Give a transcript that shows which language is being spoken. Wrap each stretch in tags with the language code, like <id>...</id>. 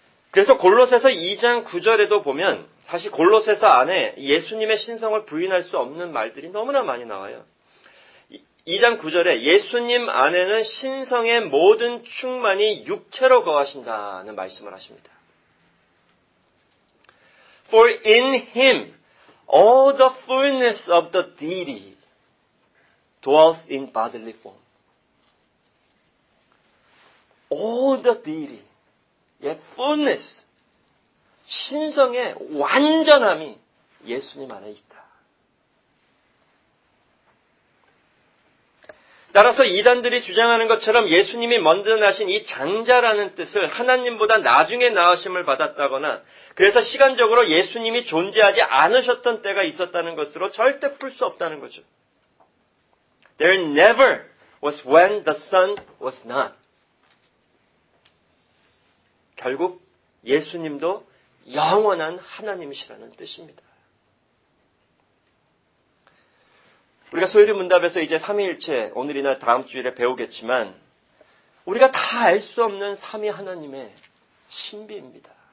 <ko>그래서 골로새서 2장 9절에도 보면 사실 골로새서 안에 예수님의 신성을 부인할 수 없는 말들이 너무나 많이 나와요. 2장 9절에 예수님 안에는 신성의 모든 충만이 육체로 거하신다는 말씀을 하십니다.</ko> <en>For in him all the fullness of the deity dwells in bodily form. All the deity, yeah, fullness,</en> <ko>신성의 완전함이 예수님 안에 있다. 따라서 이단들이 주장하는 것처럼 예수님이 먼저 나신 이 장자라는 뜻을 하나님보다 나중에 나으심을 받았다거나 그래서 시간적으로 예수님이 존재하지 않으셨던 때가 있었다는 것으로 절대 풀 수 없다는 거죠.</ko> <en>There never was when the Son was not.</en> <ko>결국 예수님도 영원한 하나님이시라는 뜻입니다. 우리가 소유리 문답에서 이제 삼위일체 오늘이나 다음 주일에 배우겠지만 우리가 다 알 수 없는 삼위 하나님의 신비입니다.</ko>